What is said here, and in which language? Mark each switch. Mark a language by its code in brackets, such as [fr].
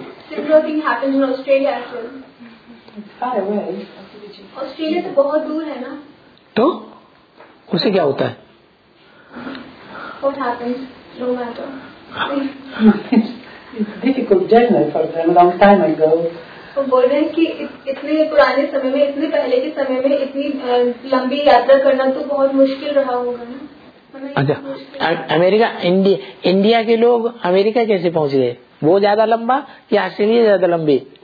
[en] Similar thing happens in Australia as well. Far away. Australia [hi] तो बहुत दूर है ना? तो उसे क्या होता है? [en] What happens? No matter. It's difficult journey for them, long time ago. [hi] वो बोल रहे हैं कि इतने पुराने समय में, इतने पहले के समय में इतनी लंबी यात्रा करना तो बहुत मुश्किल रहा होगा ना? अच्छा, अमेरिका इंडिया के लोग अमेरिका कैसे पहुंच गए? वो ज्यादा लंबा कि ऑस्ट्रेलिया ज्यादा लंबी?